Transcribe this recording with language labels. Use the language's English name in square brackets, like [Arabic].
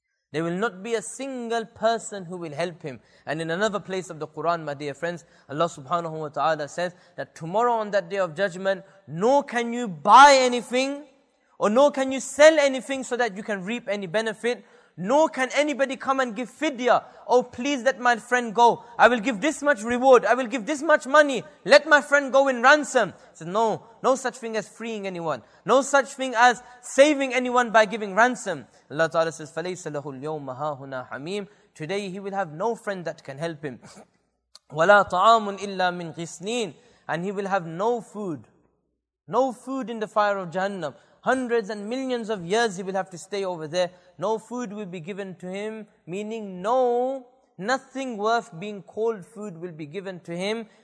[English] There will not be a single person who will help him. And in another place of the Quran, my dear friends, Allah subhanahu wa ta'ala says that tomorrow on that day of judgment, nor can you buy anything, or nor can you sell anything so that you can reap any benefit. Nor can anybody come and give fidya. Oh, please let my friend go. I will give this much reward. I will give this much money. Let my friend go in ransom. So no, no such thing as freeing anyone. No such thing as saving anyone by giving ransom. Allah Ta'ala says, [Arabic] فَلَيْسَ لَهُ الْيَوْمَ هَا هُنَا حَمِيمٌ. [English] Today he will have no friend that can help him. [Arabic] وَلَا طَعَامٌ إِلَّا مِنْ غِسْنِينَ. [English] And he will have no food. No food in the fire of Jahannam. Hundreds and millions of years he will have to stay over there. No food will be given to him. Meaning no, nothing worth being called food will be given to him.